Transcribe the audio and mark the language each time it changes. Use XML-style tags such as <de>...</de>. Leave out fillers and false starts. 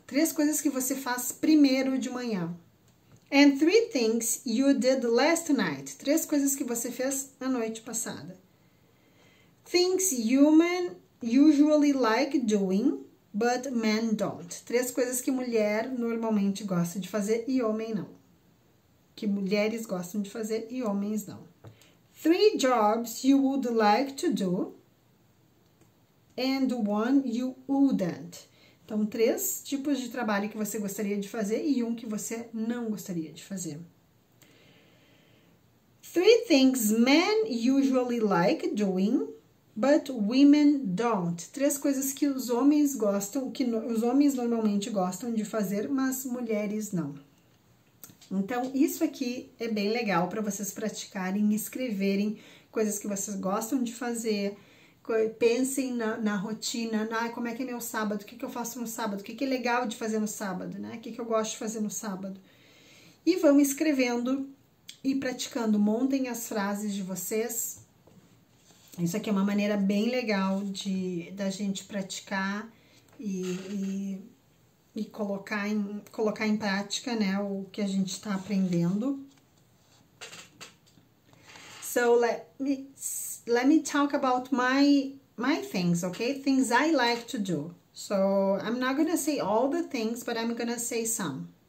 <pt>Três coisas que você faz primeiro de manhã.</pt> <en>And three things you did last night.</en> <pt>Três coisas que você fez na noite passada.</pt> <en>Things human usually like doing, but men don't.</en> <pt>Três coisas que mulher normalmente gosta de fazer e homem não. Que mulheres gostam de fazer e homens não.</pt> <en>Three jobs you would like to do, and one you wouldn't.</en> <pt>Então, três tipos de trabalho que você gostaria de fazer e um que você não gostaria de fazer.</pt> <en>Three things men usually like doing, but women don't.</en> <pt>Três coisas que os homens gostam, que os homens normalmente gostam de fazer, mas mulheres não. Então, isso aqui é bem legal para vocês praticarem, escreverem coisas que vocês gostam de fazer. Pensem na rotina, como é que é meu sábado, o que eu faço no sábado, o que é legal de fazer no sábado, né? O que eu gosto de fazer no sábado. E vão escrevendo e praticando, montem as frases de vocês. Isso aqui é uma maneira bem legal da gente praticar e colocar em prática, né, o que a gente está aprendendo.</pt> <en>So, let me talk about my things, okay? Things I like to do. So, I'm not gonna say all the things, but I'm gonna say some.</en>